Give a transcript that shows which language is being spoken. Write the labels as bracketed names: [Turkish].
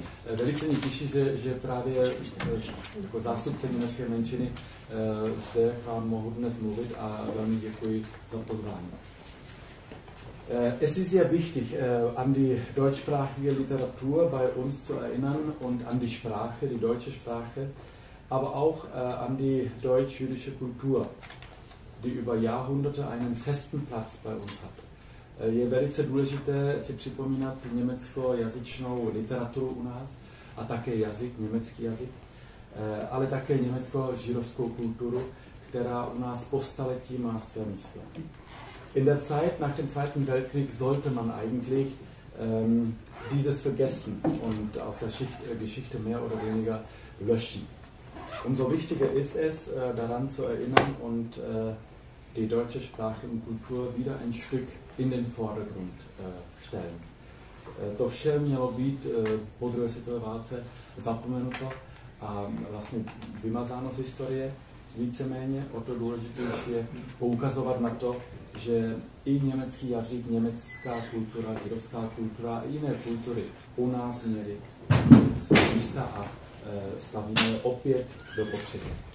[Czech] Velice mě těší, že právě jako zástupce německé menšiny zde k vám mohu dnes mluvit a velmi děkuji za pozvání. [German] Es ist sehr wichtig, an die deutschsprachige Literatur bei uns zu erinnern und an die Sprache, die deutsche Sprache, aber auch an die deutsch-jüdische Kultur, die über Jahrhunderte einen festen Platz bei uns hat. [Czech] Je velice důležité si připomínat německo-jazyčnou literaturu u nás a také jazyk, německý jazyk, ale také německo-židovskou kulturu, která u nás po staletí má své místo. [German] In der Zeit nach dem Zweiten Weltkrieg sollte man eigentlich dieses vergessen und aus der Geschichte mehr oder weniger löschen. Umso wichtiger ist es, daran zu erinnern und die deutsche Sprache und Kultur wieder ein Stück in den Vordergrund stellen. [Czech] To vše mělo být po druhé světové válce zapomenuto a vlastně vymazáno z historie víceméně. O to důležitější je poukazovat na to, že i německý jazyk, německá kultura, židovská kultura a jiné kultury u nás měly místa a stavíme je opět do potřeby.